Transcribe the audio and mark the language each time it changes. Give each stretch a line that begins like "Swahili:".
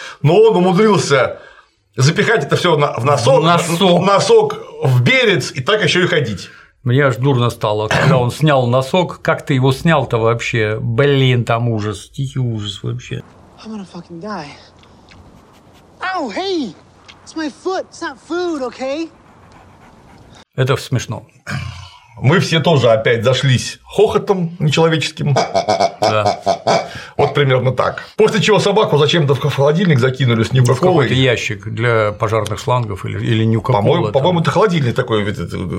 Russian: Но он умудрился запихать это все в носок, носок в берец и так еще и ходить. Мне аж дурно стало, когда он снял носок. Как ты его снял-то вообще? Блин, там ужас, тихий ужас вообще.
English: I'm gonna fucking die. Ow, hey! It's my foot, it's not food, okay?
Russian: Это смешно. Мы все тоже опять зашлись хохотом нечеловеческим. Да. Вот примерно так. После чего собаку зачем-то в холодильник закинули с нюкоколой. Какой-то ящик для пожарных шлангов или нюкокола. По-моему, это холодильник такой. Этот...